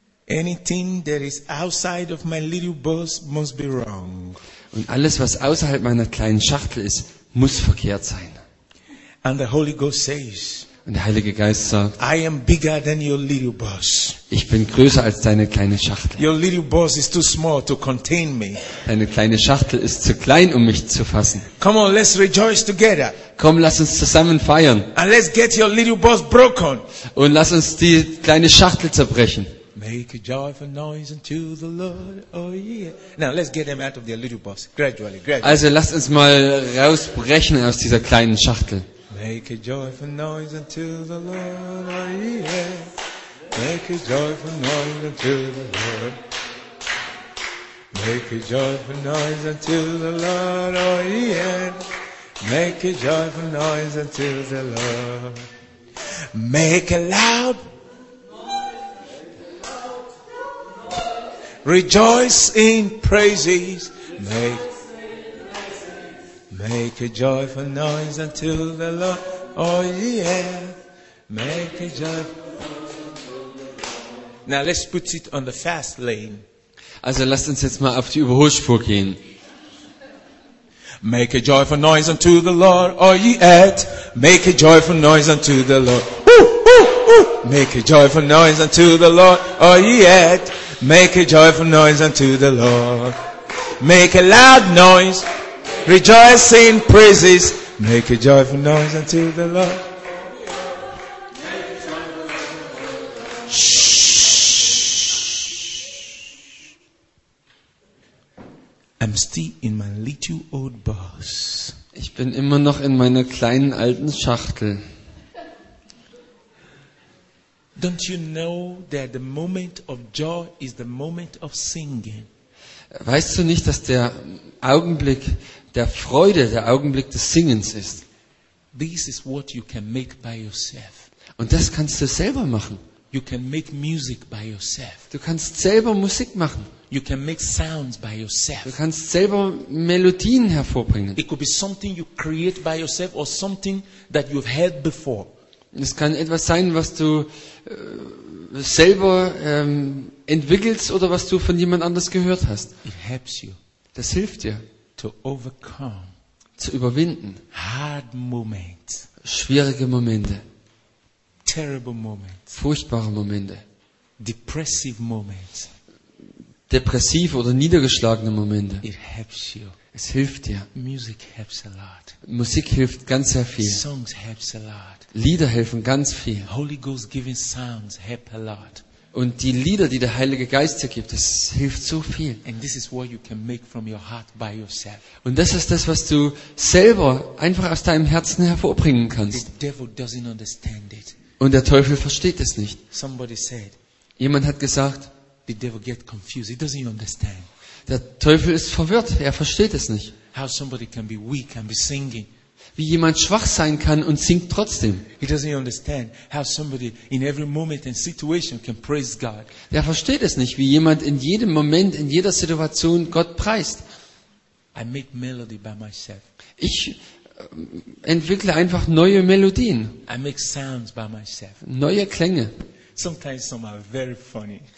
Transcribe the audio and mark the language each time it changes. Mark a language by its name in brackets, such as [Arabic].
[English] Anything that is outside of my little bus must be wrong. [German] Und alles, was außerhalb meiner kleinen Schachtel ist, muss verkehrt sein. [English] And the Holy Ghost says, [German] und der Heilige Geist sagt, [English] I am bigger than your little bus. [German] Ich bin größer als deine kleine Schachtel. [English] Your little bus is too small to contain me. [German] Deine kleine Schachtel ist zu klein, um mich zu fassen. [English] Come on, let's rejoice together. [German] Komm, lass uns zusammen feiern. [English] And let's get your little bus broken. [German] Und lass uns die kleine Schachtel zerbrechen. [English] Make a joyful noise unto the Lord, oh yeah. Now let's get them out of their little box, gradually, gradually. [German] Also lasst uns mal rausbrechen aus dieser kleinen Schachtel. [English] Make a joyful noise unto the Lord, oh yeah. Make a joyful noise unto the Lord. Make a joyful noise unto the Lord, oh yeah. Make a joyful noise unto the Lord. Make a loud rejoice in praises. Make a joyful noise unto the Lord. Oh yeah. Make a joyful noise. Now let's put it on the fast lane. [German] Also lasst uns jetzt mal auf die Überholspur gehen. [English] Make a joyful noise unto the Lord, all ye at. Make a joyful noise unto the Lord. Make a joyful noise unto the Lord, all ye at. Make a joyful noise unto the Lord. Make a loud noise, rejoice in praises. Make a joyful noise unto the Lord. Shh. I'm still in my little old box. [German] Ich bin immer noch in meiner kleinen alten Schachtel. [English] Don't you know that the moment of joy is the moment of singing? [German] Weißt du nicht, dass der Augenblick der Freude der Augenblick des Singens ist? [English] This is what you can make by yourself. [German] Und das kannst du selber machen. [English] You can make music by yourself. [German] Du kannst selber Musik machen. [English] You can make sounds by yourself. [German] Du kannst selber Melodien hervorbringen. [English] It could be something you create by yourself or something that you've heard before. [German] Es kann etwas sein, was du selber entwickelst oder was du von jemand anders gehört hast. [English] It helps you. [German] Das hilft dir, [English] to overcome, [German] zu überwinden, [English] hard moments, [German] schwierige Momente, [English] terrible moments, [German] furchtbare Momente, [English] depressive moments, [German] depressive oder niedergeschlagene Momente. [English] It helps you. [German] Es hilft dir. [English] Music helps a lot. [German] Musik hilft ganz sehr viel. [English] Songs helps a lot. [German] Lieder helfen ganz viel. [English] Holy Ghost giving sounds help a lot. [German] Und die Lieder, die der Heilige Geist dir gibt, das hilft so viel. [English] And this is what you can make from your heart by yourself. [German] Und das ist das, was du selber einfach aus deinem Herzen hervorbringen kannst. [English] The devil doesn't understand it. [German] Und der Teufel versteht es nicht. [English] Somebody said, [German] jemand hat gesagt, [English] the devil get confused. He doesn't understand. [German] Der Teufel ist verwirrt, er versteht es nicht. [English] How somebody can be weak and be singing. [German] Wie jemand schwach sein kann und singt trotzdem. [English] He doesn't understand how somebody in every moment and situation can praise God. [German] Er versteht es nicht, wie jemand in jedem Moment, in jeder Situation Gott preist. [English] I make melody by myself. [German] Ich entwickle einfach neue Melodien. [English] I make sounds by myself. [German] Neue Klänge. [English] Sometimes some are very funny.